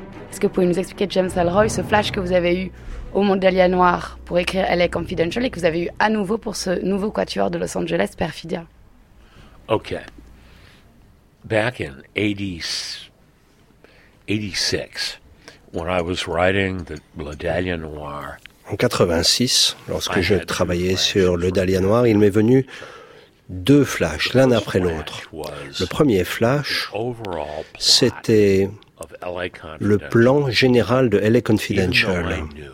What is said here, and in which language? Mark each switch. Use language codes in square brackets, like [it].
[fr] Est-ce que vous pouvez nous expliquer, James Ellroy, ce flash que vous avez eu au Mandalia Noir pour écrire LA Confidential et que vous avez eu à nouveau pour ce nouveau quatuor de Los Angeles, Perfidia? Ok. [en] Back in 86, when I was writing the Mandalia Noir. [fr] En 86, lorsque je travaillais sur le Dahlia Noir, il m'est venu deux flashs, l'un après l'autre. Le premier flash, c'était le plan général de LA Confidential.